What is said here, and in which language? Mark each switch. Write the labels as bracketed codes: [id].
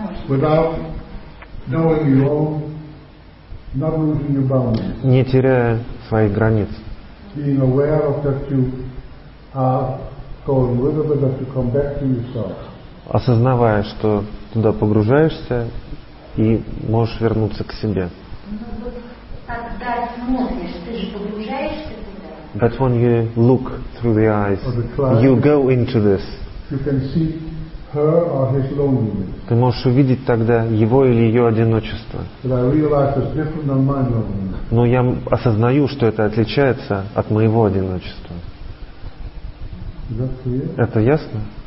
[en] Without knowing your own. Not losing your boundaries. [ru] Не теряя своих границ. [en] Being aware of that you are going with it, but that you come back to yourself. [ru] Осознавая, что туда погружаешься и можешь вернуться к себе. Когда смотришь, ты же погружаешься. [en] But when you look through the eyes, you go into this. You can see her or his loneliness. [ru] Ты можешь увидеть тогда его или ее одиночество. Но я осознаю, что это отличается от моего одиночества. Это ясно?